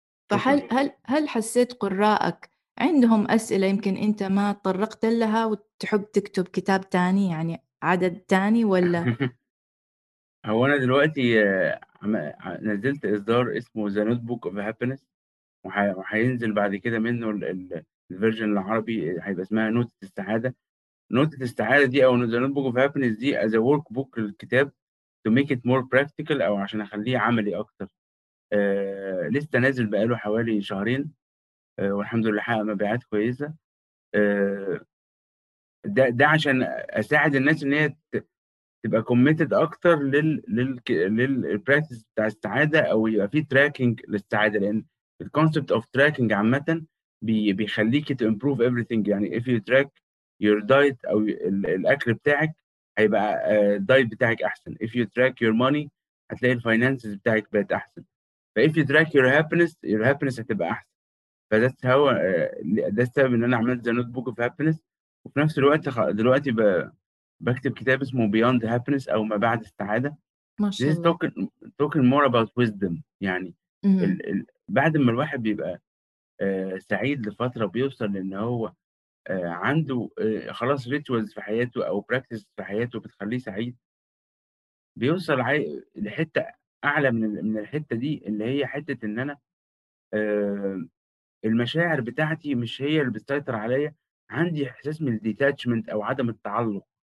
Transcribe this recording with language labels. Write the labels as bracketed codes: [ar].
[ar] فهل هل هل حسيت قراءك عندهم أسئلة يمكن أنت ما تطرقت لها وتحب تكتب كتاب تاني، يعني عدد تاني ولا؟ هو أنا دلوقتي نزلت إصدار اسمه The Notebook of Happiness، وحينزل بعد كده منه الفيرجن العربي هيبقى اسمها نوتة السعادة. نوتة السعادة دي أو The Notebook of Happiness دي [en] as a workbook [ar] للكتاب [en] to make it more practical، [ar] أو عشان أخليه عملي أكتر. لسه نازل بقاله حوالي شهرين، والحمد لله حقق مبيعات كويسة. ده عشان أساعد الناس إن هي تبقى committed أكتر للpractice بتاع السعادة، أو يبقى فيه tracking للسعادة، لأن [en] the concept of tracking [ar] عامة بيخليك [en] to improve everything. يعني if you track your diet [ar] أو الأكل بتاعك هيبقى [en] diet [ar] بتاعك أحسن، [en] if you track your money [ar] هتلاقي [en] finances [ar] بتاعك بقت أحسن، ف [en] if you track your happiness your happiness [ar] هتبقى أحسن. فده هو ده السبب إن أنا عملت the notebook of happiness. وفي نفس الوقت دلوقتي بكتب كتاب اسمه Beyond Happiness أو ما بعد السعادة. [en] This is talking more about wisdom. [ar] يعني بعد ما الواحد بيبقى سعيد لفترة بيوصل لأن هو عنده خلاص rituals في حياته أو practices في حياته بتخليه سعيد، بيوصل لحتة أعلى من الحتة دي، اللي هي حتة إن أنا المشاعر بتاعتي مش هي اللي بتسيطر عليا، عندي إحساس من detachment أو عدم التعلق.